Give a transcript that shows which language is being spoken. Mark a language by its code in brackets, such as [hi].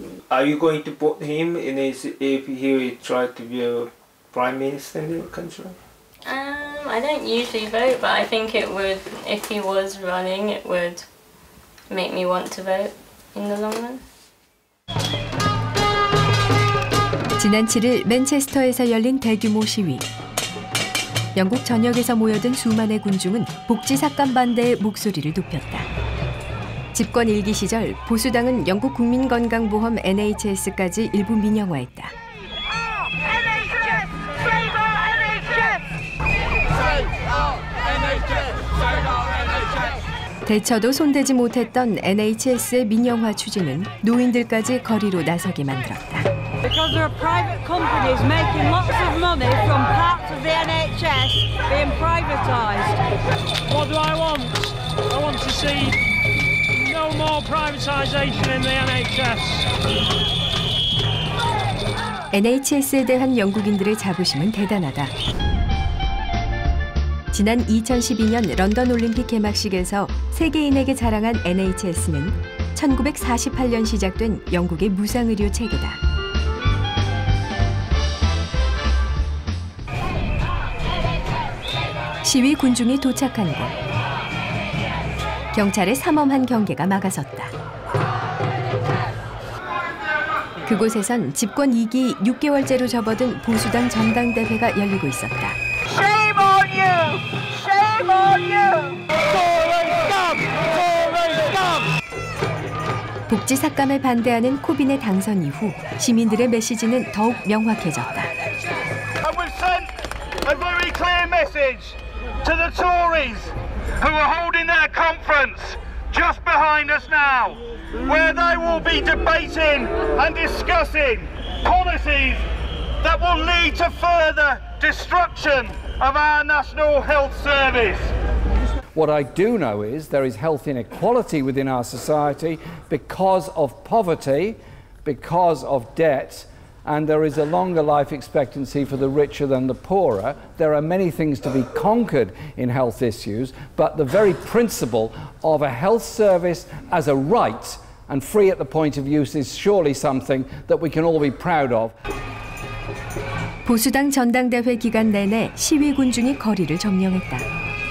[en] Are you going to vote him in his, if he tried to be a prime minister in the country? I don't usually vote, but I think it would, if he was running, it would make me want to vote in the long run. [ko] 지난 7일 맨체스터에서 열린 대규모 시위. 영국 전역에서 모여든 수많은 군중은 복지삭감 반대의 목소리를 높였다. 집권 1기 시절 보수당은 영국 국민건강보험 NHS까지 일부 민영화했다. 대처도 손대지 못했던 NHS의 민영화 추진은 노인들까지 거리로 나서게 만들었다. [en] Because there are private companies making lots of money from parts of the NHS being privatised. What do I want? I want to see no more privatisation in the NHS. [ko] NHS에 대한 영국인들의 자부심은 대단하다. 지난 2012년 런던 올림픽 개막식에서 세계인에게 자랑한 NHS는 1948년 시작된 영국의 무상의료 체계다. 시위 군중이 도착한 곳. 경찰의 삼엄한 경계가 막아섰다. 그곳에선 집권 2기 6개월째로 접어든 보수당 전당대회가 열리고 있었다. [en] Shame on you! Shame on you! Tory scum! Tory scum! [ko] 복지삭감에 반대하는 코빈의 당선 이후 시민들의 메시지는 더욱 명확해졌다. [en] I will send a very clear message to the Tories who are holding their conference just behind us now, where they will be debating and discussing policies that will lead to further destruction of our National Health Service. What I do know is there is health inequality within our society because of poverty, because of debt, and there is a longer life expectancy for the richer than the poorer. There are many things to be conquered in health issues, but the very principle of a health service as a right and free at the point of use is surely something that we can all be proud of. [ko] 보수당 전당대회 기간 내내 시위 군중이 거리를 점령했다.